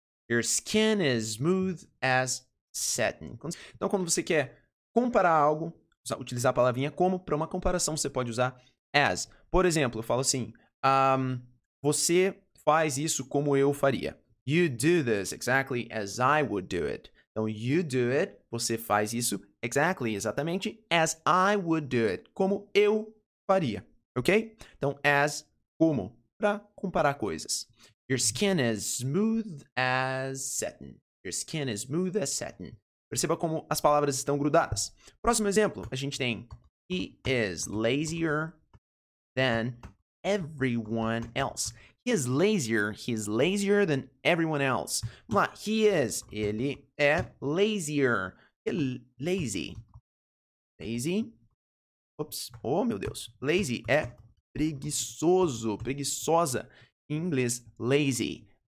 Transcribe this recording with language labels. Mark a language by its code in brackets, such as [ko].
[en] Your skin is smooth as satin. [pt] Então, quando você quer comparar algo, utilizar a palavrinha como, para uma comparação, você pode usar as. Por exemplo, eu falo assim, você faz isso como eu faria. [en] You do this exactly as I would do it. [pt] Então, [en] you do it, [pt] você faz isso exactly, exatamente, [en] as I would do it, [pt] como eu faria, ok? Então, as, como, para comparar coisas. [en] Your skin is smooth as satin. Your skin is smooth as satin. [pt] Perceba como as palavras estão grudadas. Próximo exemplo, a gente tem [en] he is lazier than everyone else. He is lazier than everyone else. [pt] Vamos lá, [en] he is, [pt] ele é lazier. Lazy. Ops, oh meu Deus. Lazy é preguiçoso, preguiçosa. Em inglês, lazy.